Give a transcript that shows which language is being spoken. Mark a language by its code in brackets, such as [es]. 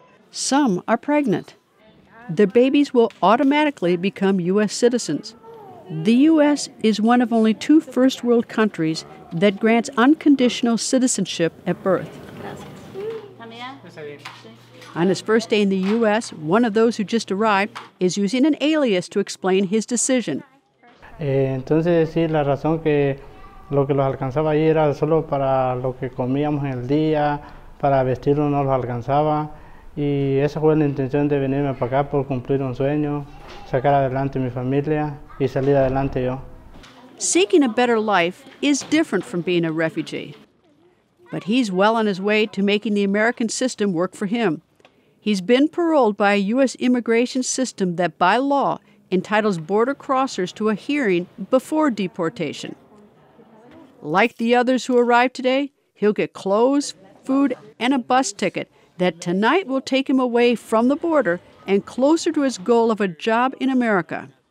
[en] Some are pregnant. Their babies will automatically become U.S. citizens. The U.S. is one of only two first world countries that grants unconditional citizenship at birth. On his first day in the U.S., one of those who just arrived is using an alias to explain his decision. [es] Entonces, sí, la razón que lo que los alcanzaba ahí era solo para lo que comíamos en el día, para vestirlo no los alcanzaba. Y esa fue la intención de venirme para acá por cumplir un sueño, sacar adelante mi familia y salir adelante yo. [en] Seeking a better life is different from being a refugee. But he's well on his way to making the American system work for him. He's been paroled by a U.S. immigration system that, by law, entitles border crossers to a hearing before deportation. Like the others who arrived today, he'll get clothes, food, and a bus ticket that tonight will take him away from the border and closer to his goal of a job in America.